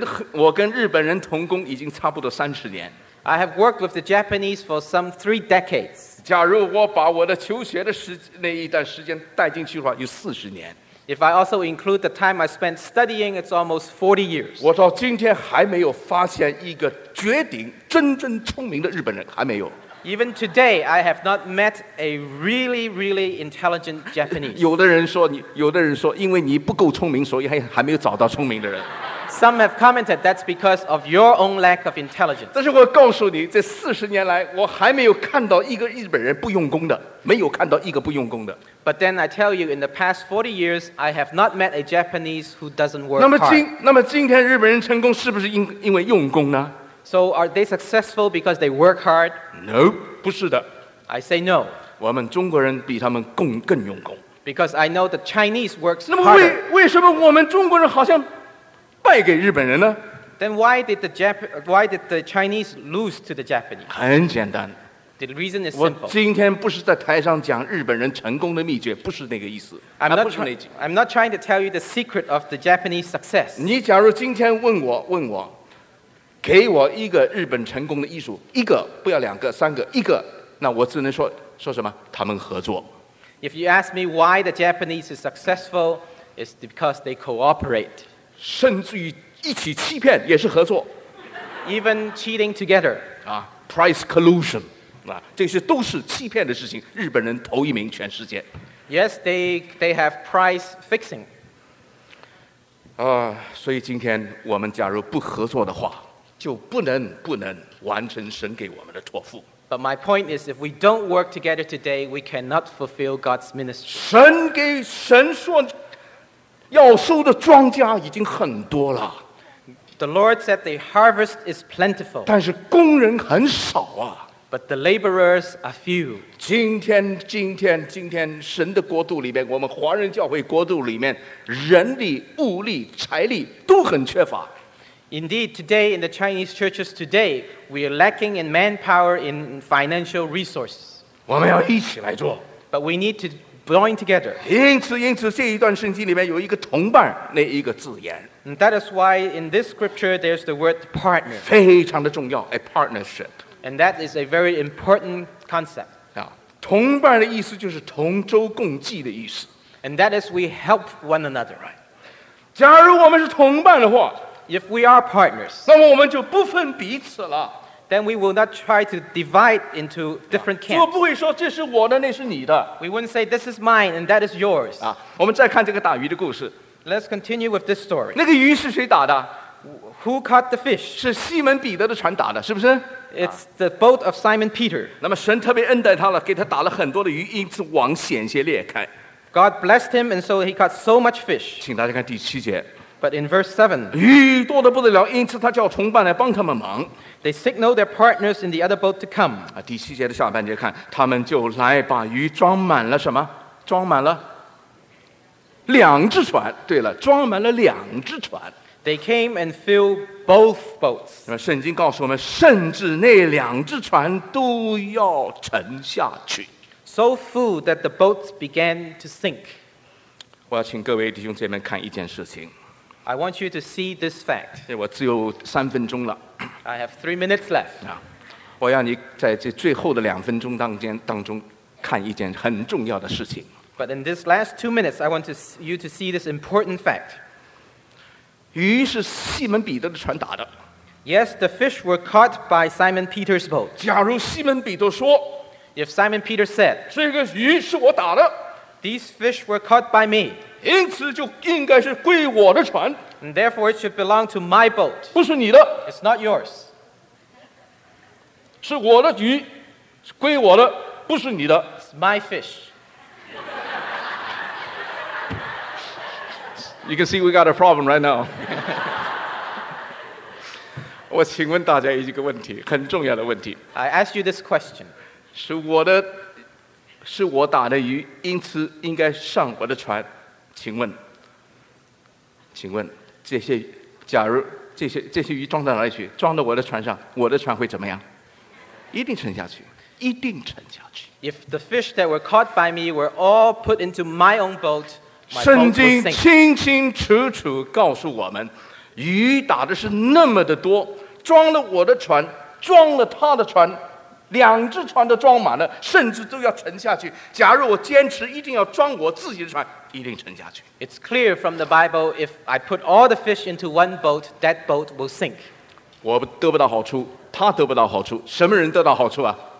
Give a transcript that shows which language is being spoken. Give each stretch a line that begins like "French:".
Chinese: 我跟日本人同工已经差不多30年。
English: I have worked with the Japanese for some 3 decades.
Chinese: 假如我把我的求学的那一段时间带进去的话，有40年。
English: If I also include the time I spent studying, it's almost 40 years.
Chinese: 我到今天还没有发现一个绝顶真正聪明的日本人，还没有。
English: Even today, I have not met a really, really intelligent Japanese.
Chinese: 有的人说，因为你不够聪明，所以还没有找到聪明的人。
English: Some have commented that's because of your own lack of intelligence.
Chinese: 但是我告诉你，这四十年来，我还没有看到一个日本人不用功的，没有看到一个不用功的。
English: But then I tell you, in the past 40 years, I have not met a Japanese who doesn't work
Chinese: 那么今天日本人成功是不是因为用功呢？
English: So are they successful because they work hard? No,
Chinese: 不是的。
English: I say no.
Chinese: 我们中国人比他们更用功。
English: Because I know the Chinese works harder.
Chinese: 那么为什么我们中国人好像败给日本人呢？
English: Then why did the Chinese lose to the Japanese?
Chinese: 很简单。
English: The reason is simple.
Chinese: 我今天不是在台上讲日本人成功的秘诀，不是那个意思。
English: I'm not trying to tell you the secret of the Japanese success.
Chinese: 你假如今天问我。给我一个日本成功的艺术，一个不要两个，三个，一个，那我只能说什么？他们合作。
English: If you ask me why the Japanese is successful, it's because they cooperate.
Chinese: 甚至于一起欺骗也是合作。
English: Even cheating together. Price collusion.
Chinese: 这些都是欺骗的事情，日本人头一名全世界。
English: Yes, they have price fixing.
Chinese: 所以今天我们假如不合作的话，就不能完成神给我们的托付。
English: But my point is, if we don't work together today, we cannot fulfill God's ministry.
Chinese: 神给神说要收的庄稼已经很多了。
English: The Lord said the harvest is plentiful.
Chinese: 但是工人很少啊。
English: But the laborers are few.
Chinese: 今天，神的国度里面，我们华人教会国度里面，人力、物力、财力都很缺乏。
English: Indeed, today in the Chinese churches today, we are lacking in manpower, in financial resources.
Chinese: 我们要一起来做。
English: But we need to join together.
Chinese: 因此，这一段圣经里面有一个同伴那一个字眼。
English: And that is why in this scripture there's the word partner.
Chinese: 非常的重要 ，
English: a partnership. And that is a very important concept.
Chinese: 同伴的意思就是同舟共济的意思。
English: And that is we help one another. Right.
Chinese: 假如我们是同伴的话。
English: If we are partners,
Chinese: 那么我们就不分彼此了。
English: Then we will not try to divide into different camps.
Chinese: 就不会说这是我的，那是你的。
English: We wouldn't say this is mine and that is yours.
Chinese: 我们再看这个打鱼的故事。
English: Let's continue with this story.
Chinese: 那个鱼是谁打的？
English: Who caught the fish?
Chinese: 是西门彼得的船打的，是不是？
English: It's the boat of Simon Peter.
Chinese: 那么神特别恩待他了，给他打了很多的鱼，因此网险些裂开。
English: God blessed him, and so he caught so much fish.
Chinese: 请大家看第七节。
English: But in verse 7,
Chinese: 鱼多得不得了，因此他叫同伴来帮他们忙。
English: They signal their partners in the other boat to come.
Chinese: 第七节的下半节看，他们就来把鱼装满了什么？装满了两只船。对了，装满了两只船。
English: They came and filled both boats.
Chinese: 那么圣经告诉我们，甚至那两只船都要沉下去。
English: So full that the boats began to sink.
Chinese: 我要请各位弟兄姐妹看一件事情。
English: I want you to see this fact.
Chinese: 我只有三分钟了。
English: I have 3 minutes left.
Chinese: 我要你在这最后的两分钟当中看一件很重要的事情。
English: But in this last 2 minutes, I want you to see this important fact.
Chinese: 鱼是西门彼得的船打的。
English: Yes, the fish were caught by Simon Peter's boat.
Chinese: 假如西门彼得说
English: If Simon Peter said,
Chinese: 这个鱼是我打的。
English: These fish were caught by me.
Chinese: 因此就应该是归我的船。
English: And therefore it should belong to my boat.
Chinese: 不是你的。
English: It's not yours.
Chinese: 是我的鱼，归我的，不是你的。
English: It's my fish. You can see we got a problem right now.
Chinese: 我请问大家一个问题，很重要的问题。
English: I ask you this question.
Chinese: 是我打的鱼，因此应该上我的船。请问，这些假如这些鱼装到哪里去？装到我的船上，我的船会怎么样？一定沉下去。
English: If the fish that were caught by me were all put into my own boat.
Chinese: 圣经清清楚楚告诉我们，鱼打的是那么的多，装了我的船，装了他的船，两只船都装满了，甚至都要沉下去。假如我坚持一定要装我自己的船，一定沉下去。
English: It's clear from the Bible, if I put all the fish into one boat, that boat will sink.
Chinese: 我得不到好处，他得不到好处，什么人得到好处啊？